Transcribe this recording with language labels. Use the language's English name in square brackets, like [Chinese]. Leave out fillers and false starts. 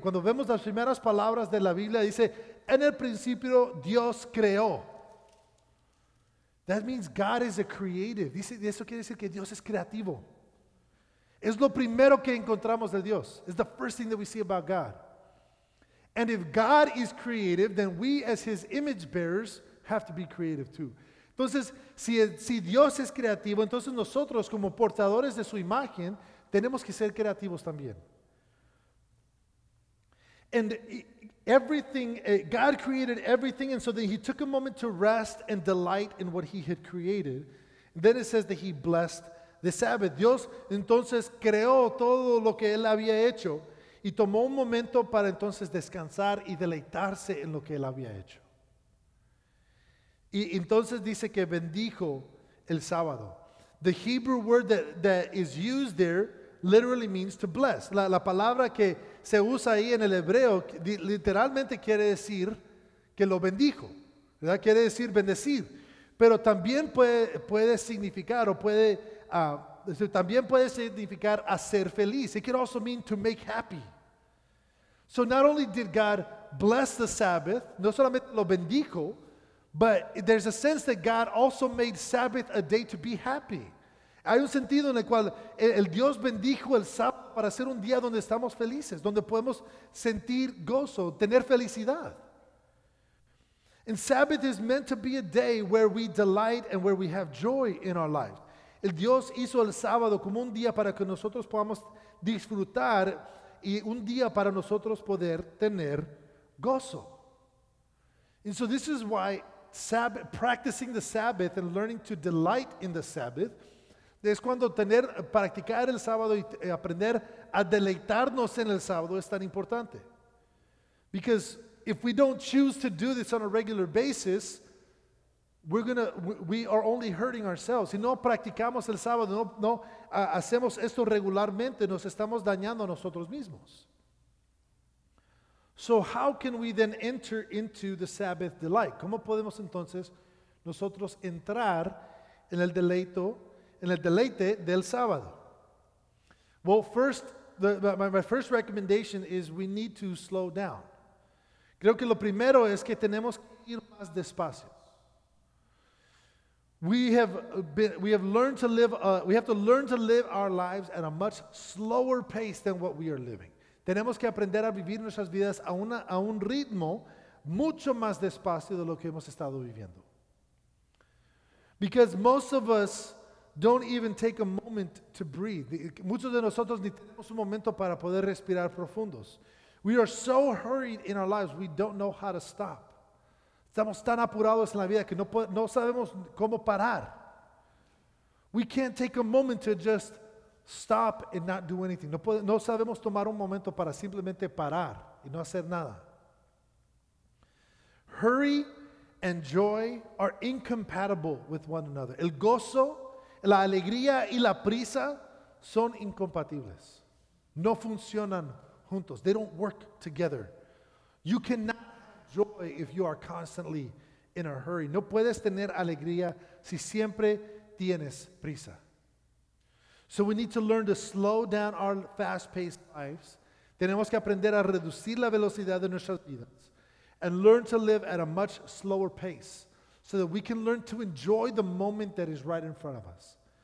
[Spanish] Cuando vemos las primeras palabras de la Biblia, dice, en el principio Dios creó. [English] That means God is a creative. [Spanish] Dice, eso quiere decir que Dios es creativo. Es lo primero que encontramos de Dios. [English] It's the first thing that we see about God. And if God is creative, then we as his image bearers have to be creative too. [Spanish] Entonces, si Dios es creativo, entonces nosotros como portadores de su imagen, tenemos que ser creativos también. [English] And everything, God created everything, and so then he took a moment to rest and delight in what he had created. And then it says that he blessed the Sabbath. [Spanish] Dios entonces creó todo lo que él había hecho y tomó un momento para entonces descansar y deleitarse en lo que él había hecho. Y entonces dice que bendijo el sábado. [English] The Hebrew word that is used there literally means to bless. [Spanish] La palabra que se usa ahí en el hebreo literalmente quiere decir que lo bendijo, ¿verdad? Quiere decir bendecir, pero también puede significar hacer feliz. [English] It could also mean to make happy. So not only did God bless the Sabbath, [Spanish] no solamente lo bendijo, [English] but there's a sense that God also made Sabbath a day to be happy. [Spanish] Hay un sentido en el cual el Dios bendijo el sábado para ser un día donde estamos felices, donde podemos sentir gozo, tener felicidad. [English] And Sabbath is meant to be a day where we delight and where we have joy in our life. [Spanish] El Dios hizo el sábado como un día para que nosotros podamos disfrutar y un día para nosotros poder tener gozo. [English] And so this is why Sabbath, practicing the Sabbath and learning to delight in the Sabbath, [Spanish] es cuando tener, practicar el sábado y aprender a deleitarnos en el sábado es tan importante. [English] Because if we don't choose to do this on a regular basis, we are only hurting ourselves. [Spanish] Si no practicamos el sábado, hacemos esto regularmente, nos estamos dañando a nosotros mismos. [English] So how can we then enter into the Sabbath delight? [Spanish] ¿Cómo podemos entonces nosotros entrar en el deleite del sábado? [English] Well, first, my first recommendation is we need to slow down. [Spanish] Creo que lo primero es que tenemos que ir más despacio. [English] We have to learn to live our lives at a much slower pace than what we are living. [Spanish] Tenemos que aprender a vivir nuestras vidas a un ritmo mucho más despacio de lo que hemos estado viviendo. [English] Because most of us don't even take a moment to breathe. [Spanish] Muchos de nosotros ni tenemos un momento para poder respirar profundos. [English] We are so hurried in our lives, we don't know how to stop. [Spanish] Estamos tan apurados en la vida que no sabemos cómo parar. [English] We can't take a moment to just stop and not do anything. [Spanish] No sabemos tomar un momento para simplemente parar y no hacer nada. [English] Hurry and joy are incompatible with one another. [Spanish] El gozo, la alegría y la prisa son incompatibles. No funcionan juntos. [English] They don't work together. You cannot have joy if you are constantly in a hurry. [Spanish] No puedes tener alegría si siempre tienes prisa. [English] So we need to learn to slow down our fast-paced lives. [Spanish] Tenemos que aprender a reducir la velocidad de nuestras vidas [English] and learn to live at a much slower pace so that we can learn to enjoy the moment that is right in front of us.